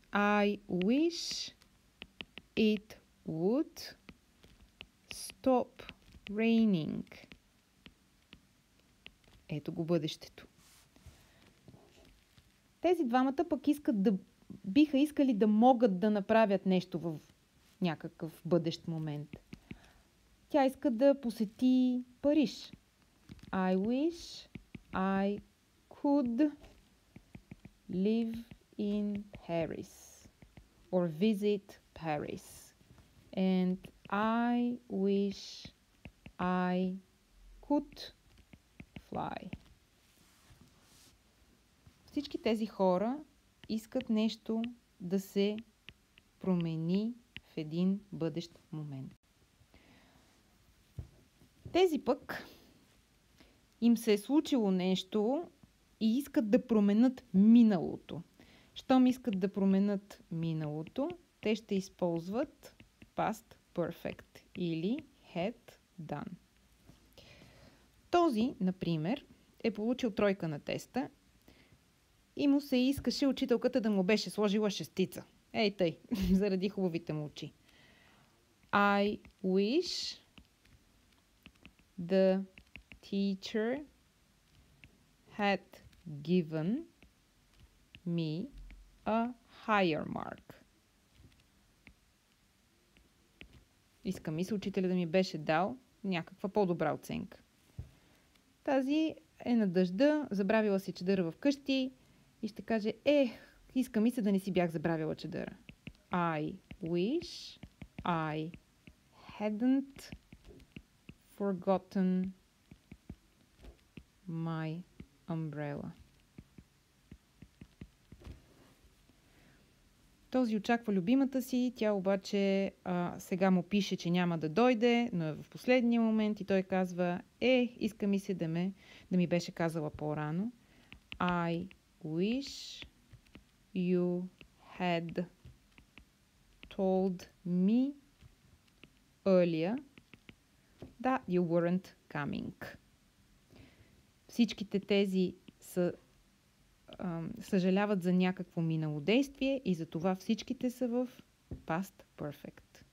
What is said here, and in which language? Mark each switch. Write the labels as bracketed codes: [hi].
[en] I wish it would stop raining. [bg] Ето го бъдещето. Тези двамата пък искат да биха искали да могат да направят нещо в някакъв бъдещ момент. Тя иска да посети Париж. [en] I wish I could live in Paris or visit Paris. And I wish I could fly. [bg] Всички тези хора искат нещо да се промени в един бъдещ момент. Тези пък им се е случило нещо и искат да променят миналото. Щом искат да променят миналото, те ще използват past perfect или had done. Този, например, е получил тройка на теста и му се искаше учителката да му беше сложила шестица. Ей тъй, заради хубавите му очи. [en] I wish the teacher had given me a higher mark. [bg] Искам и се учителя да ми беше дал някаква по-добра оценка. Тази е на дъжда, забравила си чадъра вкъщи и ще каже, ех, искам и се да не си бях забравила чадъра. [en] I wish I hadn't forgotten my umbrella. [bg] Този очаква любимата си, тя обаче сега му пише, че няма да дойде, но е в последния момент и той казва, иска ми се да ми беше казала по-рано. [en] I wish you had told me earlier that you weren't coming. [bg] Всичките тези са съжаляват за някакво минало действие и затова всичките са в past perfect.